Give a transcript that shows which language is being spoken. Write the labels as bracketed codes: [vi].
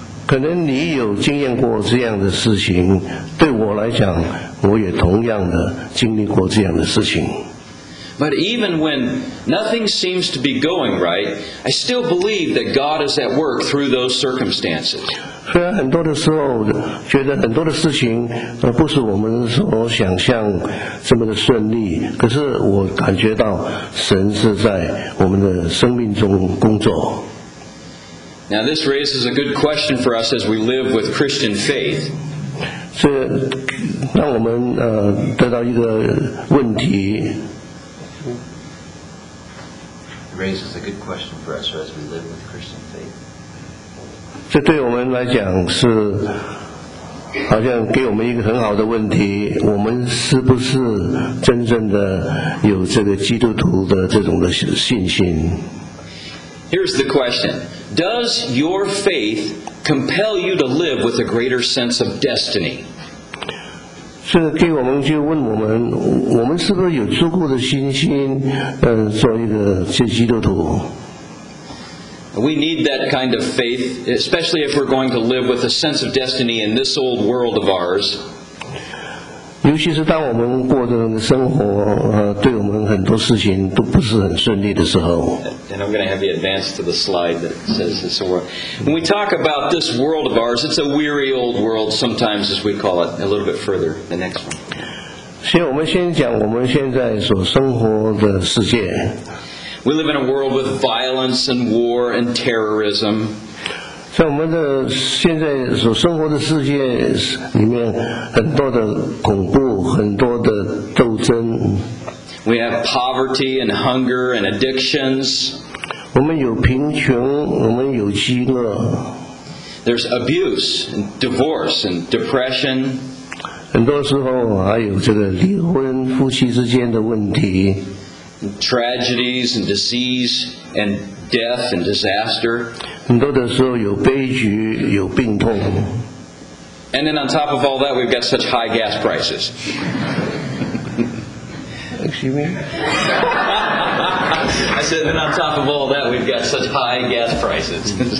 [zh] 可能你有经验过这样的事情，对我来讲，我也同样的经历过这样的事情。 [en] But even when nothing seems to be going right, I still believe that God is at work through those circumstances. [zh] 虽然很多的时候觉得很多的事情不是我们所想象这么的顺利，可是我感觉到神是在我们的生命中工作。 [en] Now this raises a good question for us as we live with Christian faith. [zh] 这让我们得到一个问题。 [en] Raises a good question for us as we live with Christian faith. [zh] 这对我们来讲是好像给我们一个很好的问题，我们是不是真正的有这个基督徒的这种的信心？ [en] Here's the question. Does your faith compel you to live with a greater sense of destiny? [zh] 是给我们去问我们，我们是不是有足够的信心，做一个基督徒？ [en] We need that kind of faith, especially if we're going to live with a sense of destiny in this old world of ours. [zh] 尤其是当我们过的生活，对我们很多事情都不是很顺利的时候。 [en] And I'm going to have you advance to the slide that says this. When we talk about this world of ours, it's a weary old world sometimes, as we call it. A little bit further, the next one. [zh] 先我们先讲我们现在所生活的世界。 [en] We live in a world with violence and war and terrorism. [zh] 在我们的现在所生活的世界里面，很多的恐怖，很多的斗争。 [en] We have poverty and hunger and addictions. [zh] 我们有贫穷，我们有饥饿。 [en] There's abuse and divorce and depression. [zh] 很多时候还有这个离婚，夫妻之间的问题。 [en] Tragedies and disease and death and disaster. [zh] 很多的时候有悲剧，有病痛。 [en] And then on top of all that, we've got such high gas prices. Excuse me? I said, and on top of all that, we've got such high gas prices.